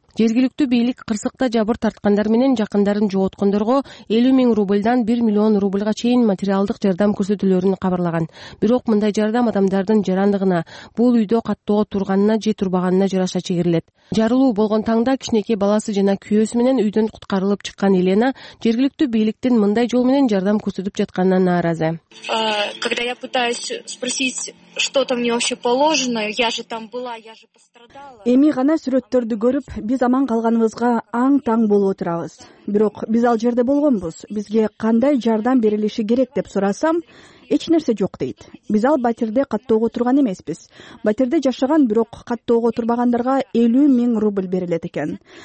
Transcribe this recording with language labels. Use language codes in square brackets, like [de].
[ky] Жергиликтүү бийлик кырсыкта жабыр тарткандар менен жакындарын жоготкондорго 50,000 рубльдан 1,000,000 рублга чейин материалдык жардам көрсөтүлөрүн кабарлаган. Бирок мындай жардам адамдардын жарандыгына, бул үйдө каттоого турганына же турбаганына жараша чегерилет. Жарылуу болгон таңда кичинекей баласы жана күйөөсү менен үйдөн куткарылып чыккан Елена жергиликтүү бийликтин мындай жол менен жардам көрсөтүп жатканына нааразы. [ru] Когда я пытаюсь спросить, что там мне вообще положено, я же там была, я же пострадала. [ky] Эми гана сүрөттөрдү көрүп, биз аман калганыбызга аң-таң болуп отурабыз. Бирок биз ал жерде болгонбуз. Бизге кандай жардам берилиши керек деп сурасам, эч нерсе жок дейт. Биз ал батирде каттоого турган эмеспиз. Батирде жашаган, бирок каттоого турбагандарга 50,000 рубль берилет экен.